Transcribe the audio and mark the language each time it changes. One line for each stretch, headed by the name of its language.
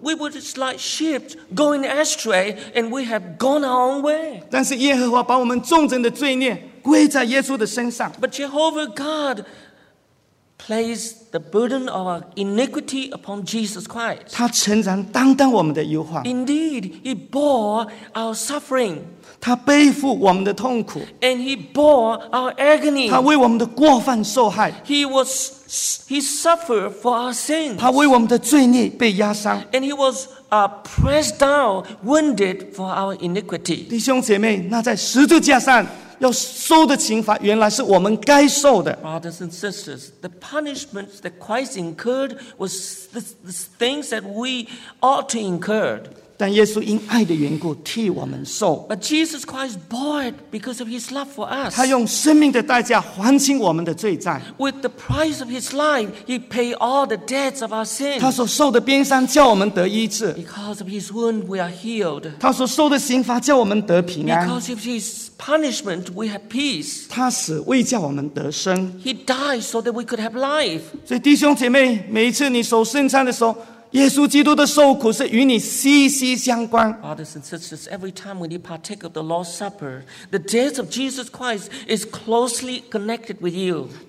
English: We were just like sheep going astray, and we have gone our own way.
Chinese: 但是耶和华把我们众人的罪孽归在耶稣的身上。
English: But Jehovah God placed the burden of our iniquity upon Jesus Christ.
Chinese: 他承担担当我们的忧患。
English: Indeed, he bore our suffering.
Chinese: 他背负我们的痛苦。
English: And he bore our agony.
Chinese: 他为我们的过犯受害。
English: He suffered for our sins.
Chinese: 他为我们的罪孽被压伤。
English: And he was pressed down, wounded for our iniquity.
Chinese: 弟兄姐妹，那在十字架上。要受的刑罚原来是我们该受的
English: Brothers and sisters, the punishment that Christ incurred was the things that we ought to incur.
Chinese: 但耶稣因爱的缘故替我们受
English: But Jesus Christ bore it because of his love for us.
Chinese: 他用生命的代价还清我们的罪债
English: With the price of his life, he paid all the debts of our sins.
Chinese: 他所受的鞭伤叫我们得医治
English: Because of his wound, we are healed.
Chinese: 他所受的刑罚叫我们得平安
English: Because of his punishment, we have peace.
Chinese: 他死为叫我们得生
English: He died so that we could have life.
Chinese: 所以弟兄姐妹, 每一次你守圣餐的时候 耶稣基督的受苦是与你息息相关
English: Brothers and sisters, every time when you partake of the Lord's Supper, the death of Jesus Christ is closely connected with you.